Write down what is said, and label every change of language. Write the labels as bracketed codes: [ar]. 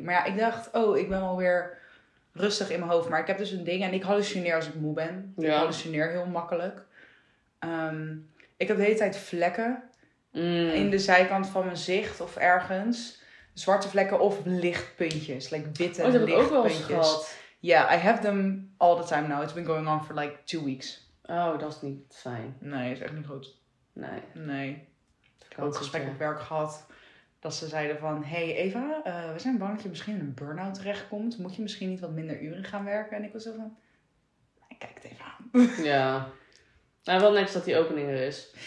[nl] Maar ja, ik dacht, ik ben alweer rustig in mijn hoofd. Maar ik heb dus een ding en ik hallucineer als ik moe ben. Ja. Ik hallucineer heel makkelijk. Ik heb de hele tijd vlekken in de zijkant van mijn zicht of ergens... Zwarte vlekken of lichtpuntjes. Like witte lichtpuntjes. Oh, dat heb ik ook wel eens gehad. [en] Yeah, I have them all the time now. It's been going on for like 2 weeks. [nl] Oh, dat is niet fijn. Nee, is echt niet goed. Nee. Nee. Ik heb ook gesprek op werk gehad. Dat ze zeiden van... Hey Eva, we zijn bang dat je misschien in een burn-out terechtkomt. Moet je misschien niet wat minder uren gaan werken? En ik was zo van... Ik kijk het even aan. Ja. Nou, wel netjes dat die opening er is.